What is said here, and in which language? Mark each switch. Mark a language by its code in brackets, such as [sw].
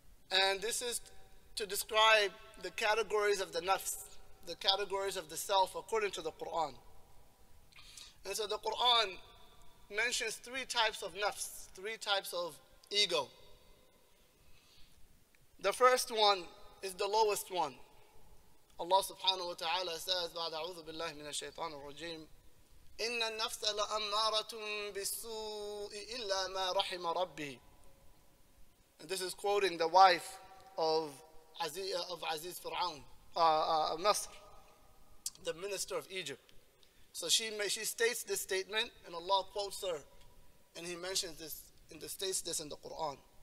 [en] And this is to describe the categories of the nafs, the categories of the self according to the Quran. And so the Quran mentions three types of nafs, three types of ego. The first one is the lowest one. Allah subhanahu wa ta'ala says, [ar] بَعْدَ عُوذُ بِاللَّهِ مِنَ الشَّيْطَانِ الرَّجِيمِ إِنَّ النَّفْسَ لَأَمَّارَةٌ بِالسُّوءِ إِلَّا مَا رَحِمَ رَبِّهِ. [en] And this is quoting the wife of Aziz Fir'aun. Nasr, the minister of Egypt. So she states this statement, and Allah quotes her, and he mentions this, and states this in the Quran.